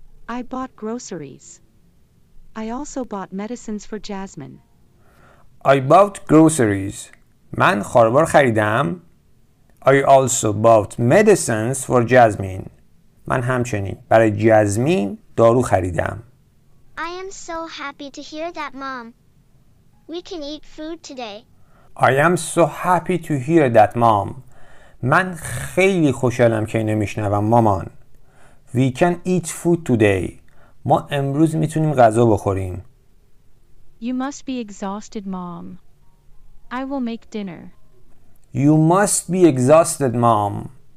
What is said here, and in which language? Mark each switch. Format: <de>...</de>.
<en>I bought groceries. I also bought medicines for Jasmine. I bought groceries.</en> <fa>من خواربار خریدم.</fa> <en>I also bought medicines for Jasmine.</en> <fa>من همچنین برای جزمین دارو خریدم.</fa> <en>I am so happy to hear that, Mom. We can eat food today. I am so happy to hear that, Mom.</en> <fa>من خیلی خوشحالم که اینو میشنوم مامان.</fa> <en>We can eat food today.</en> <fa>ما امروز میتونیم غذا بخوریم.</fa> <en>You must be exhausted, Mom. I will make dinner. You must be exhausted, Mom.</en>